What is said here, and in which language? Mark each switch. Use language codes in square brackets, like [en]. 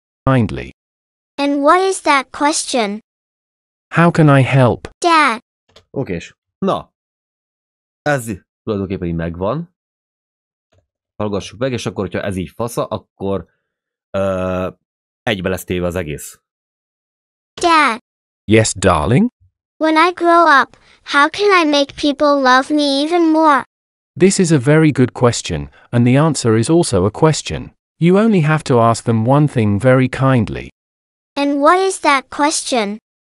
[en] Kindly. And what is that question? How can I help? Dad. Okay, na. [hu] Ez tulajdonképpen így megvan. Hallgassuk meg, és akkor, hogyha ez így fasza, akkor egybe lesz téve az egész. [en] Dad. Yes, darling? When I grow up, how can I make people love me even more? This is a very good question, and the answer is also a question. You only have to ask them one thing very kindly. And what is that question?